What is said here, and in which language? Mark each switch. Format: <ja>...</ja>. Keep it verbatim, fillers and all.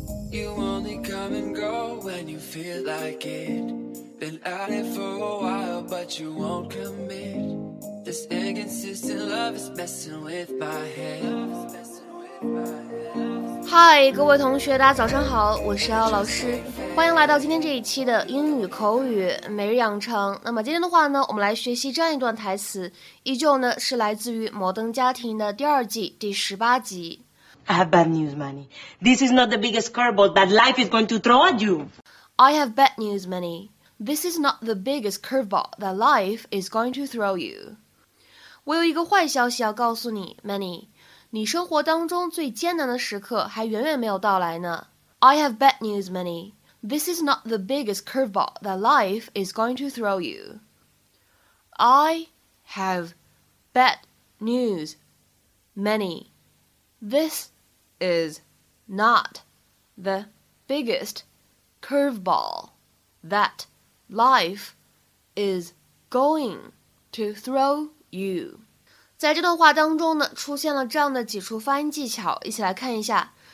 <en>You only come and go when you feel like it. Been at it for a while, but you won't commit. This inconsistent love is messing with my head.</en> <zh>嗨，各位同学，大家早上好，我是姚老师，欢迎来到今天这一期的英语口语每日养成。那么今天的话呢，我们来学习这样一段台词，依旧呢是来自于《摩登家庭》的第二季第十八集。</zh> <en>I have bad news, Manny. This is not the biggest curveball that life is going to throw at you. I have bad news, Manny. This is not the biggest curveball that life is going to throw you.</en> <zh>我有一个坏消息要告诉你 ，Manny. 你生活当中最艰难的时刻还远远没有到来呢。</zh> <en>I have bad news, Manny. This is not the biggest curveball that life is going to throw you. I have bad news, Manny. This. Is not the biggest curveball that life is going to throw you.</en> <zh>在这段话当中呢，出现了这样的几处发音技巧，一起来看一下。</zh>